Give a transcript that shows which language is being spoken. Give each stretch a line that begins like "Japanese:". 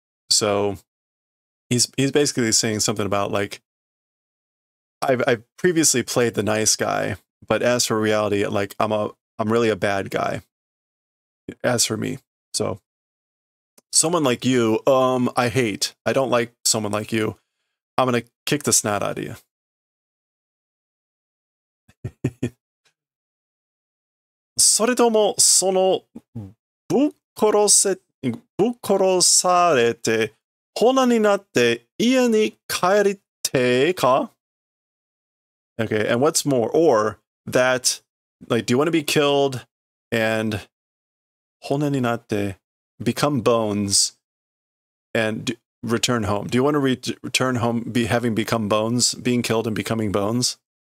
English: So he's basically saying something about like, I've previously played the nice guy, but as for reality, like I'm really a bad guy. As for me. So someone like you, I hate. I don't like someone like you. I'm gonna kick the snot out of you.
Japanese: それともそのぶっ殺されて粉になって家に帰りてか?
English: Okay, and what's more, or that, like, do you want to be killed and
Japanese: 粉になって
English: become bones and return home? Do you want to return home be having become bones, being killed and becoming bones?